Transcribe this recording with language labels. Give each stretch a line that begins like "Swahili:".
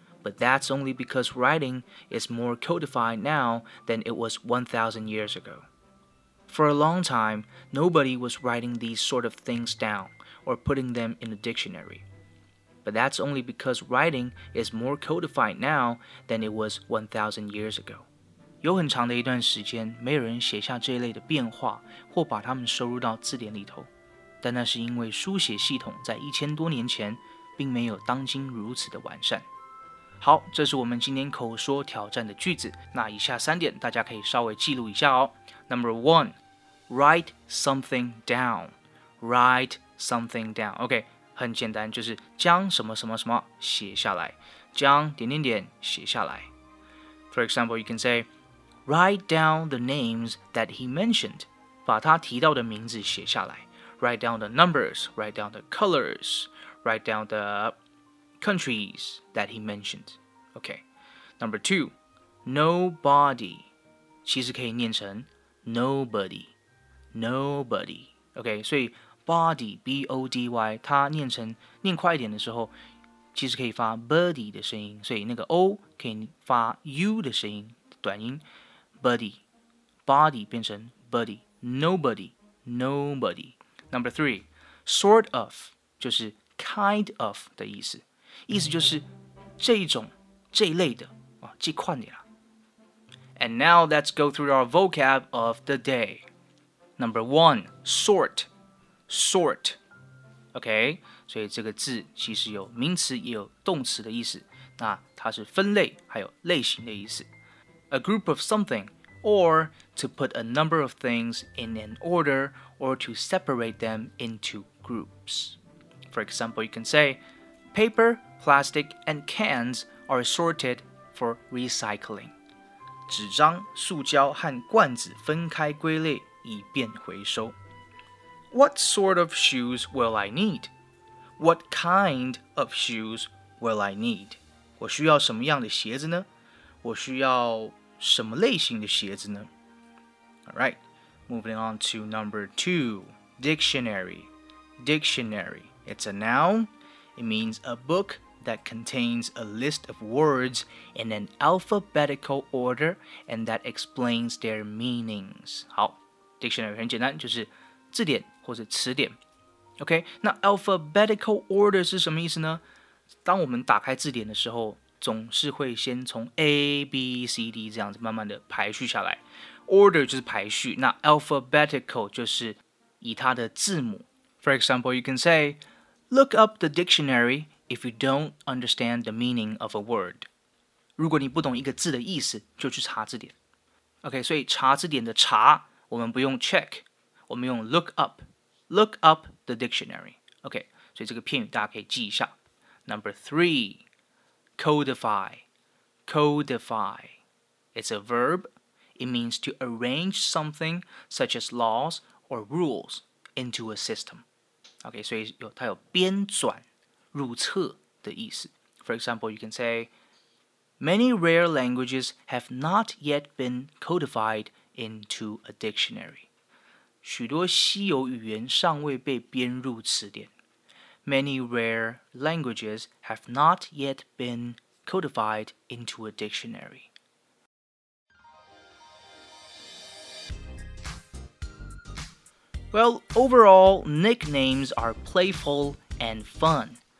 English: But that's only because writing is more codified now than it was 1,000 years ago. For a long time, nobody was writing these sort of things down or putting them in a dictionary. But that's only because writing is more codified now than it was 1,000 years ago.
Chinese: 有很长的一段时间，没有人写下这一类的变化，或把它们收入到字典里头。但那是因为书写系统在1000多年前并没有当今如此的完善。好，这是我们今天口说挑战的句子。那以下三点大家可以稍微记录一下哦。
English: Number one, write something down. Write something down. Okay.
Chinese: 很简单，就是将什么什么什么写下来，将点点点写下来。
English: For example, you can say, write down the names that he mentioned.
Chinese: 把他提到的名字写下来。
English: Write down the numbers, write down the colors, write down the countries that he mentioned. Okay. Number two, nobody.
Chinese: 其实可以念成 nobody, nobody. Okay, 所以 body, B-O-D-Y, 它念成念快一点的时候其实可以发 body 的声音，所以那个 O 可以发 U 的声音，短音 body, body 变成 body, nobody, nobody.
English: Number three, sort of,
Chinese: 就是 kind of 的意思，意思就是这一种这一类的，这款的啦。
English: And now let's go through our vocab of the day. Number one, sort, sort.
Chinese: Okay, 所以这个字其实有名词也有动词的意思，那它是分类还有类型的意思。
English: A group of something, or to put a number of things in an order, or to separate them into groups. For example, you can say, paper, plastic, and cans are sorted for recycling.
Chinese: 纸张、塑胶和罐子分开归类，以便回收。
English: What sort of shoes will I need? What kind of shoes will I need?
Chinese: 我需要什么样的鞋子呢？我需要什么类型的鞋子呢？
English: All right, moving on to number two, dictionary. Dictionary, it's a noun. It means a book. That contains a list of words in an alphabetical order and that explains their meanings.
Chinese: 好 ,dictionary 很简单，就是字典或者词典。 OK, 那 alphabetical order 是什么意思呢？当我们打开字典的时候，总是会先从 A, B, C, D 这样子慢慢的排序下来。 Order 就是排序，那 alphabetical 就是以它的字母。
English: For example, you can say, look up the dictionary,If you don't understand the meaning of a word.
Chinese: 如果你不懂一个字的意思，就去查字典。 OK, 所以查字典的查，我们不用 check, 我们用 look up.
English: Look up the dictionary.
Chinese: OK, 所以这个片语大家可以记一下。
English: Number three, codify. Codify. It's a verb. It means to arrange something, such as laws or rules, into a system.
Chinese: OK, 所以有它有编纂。入册的意思。
English: For example, you can say, Many rare languages have not yet been codified into a dictionary.
Chinese: 许多稀有语言尚未被编入词典。
English: Many rare languages have not yet been codified into a dictionary. Well, overall, nicknames are playful and fun.